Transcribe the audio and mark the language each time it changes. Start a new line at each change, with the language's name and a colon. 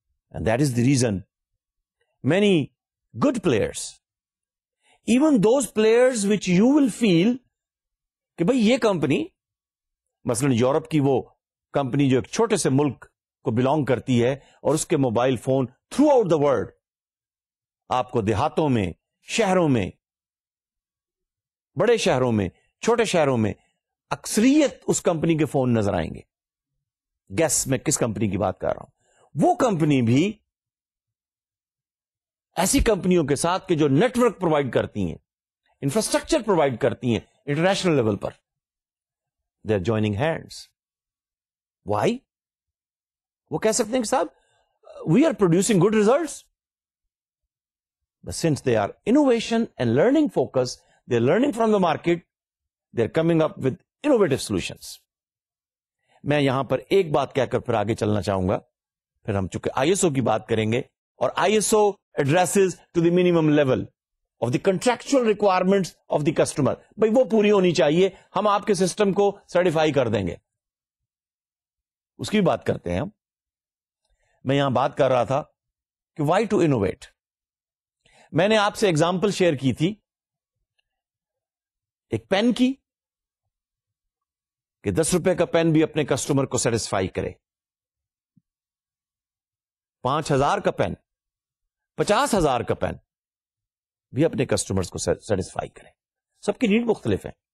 English: And that is the reason many good players, even those players which you will feel
Urdu: کہ بھائی یہ company, مثلاً Europe کی وہ کمپنی جو ایک چھوٹے سے ملک کو بلانگ کرتی ہے اور اس کے mobile phone through out the world آپ کو دیہاتوں میں، شہروں میں، بڑے شہروں میں، چھوٹے شہروں میں اکثریت اس کمپنی کے فون نظر آئیں گے. گیس میں کس کمپنی کی بات کر رہا ہوں. وہ کمپنی بھی ایسی کمپنیوں کے ساتھ کہ جو نیٹورک پرووائڈ کرتی ہیں، انفراسٹرکچر پرووائڈ کرتی ہیں international level per,
English: They are joining hands. Why?
Urdu: وہ کہہ سکتے ہیں کہ صاحب
English: We are producing good results, but since they are innovation and learning focus, they are learning from the market, they are coming up with innovative solutions.
Urdu: میں یہاں پر ایک بات کہہ کر پھر آگے چلنا چاہوں گا. پھر ہم چونکہ ISO کی بات کریں گے اور
English: ISO addresses to the minimum level of the contractual requirements of the customer.
Urdu: بھائی وہ پوری ہونی چاہیے, ہم آپ کے سسٹم کو سرٹیفائی کر دیں گے, اس کی بات کرتے ہیں. میں یہاں بات کر رہا تھا کہ
English: Why to innovate.
Urdu: میں نے آپ سے ایگزامپل شیئر کی تھی ایک پین کی, کہ 10 روپے کا پین بھی اپنے کسٹمر کو سیٹسفائی کرے, 5,000 کا پین, 50,000 کا پین بھی اپنے کسٹمرز کو سیٹسفائی کرے. سب کی نیڈ مختلف ہیں.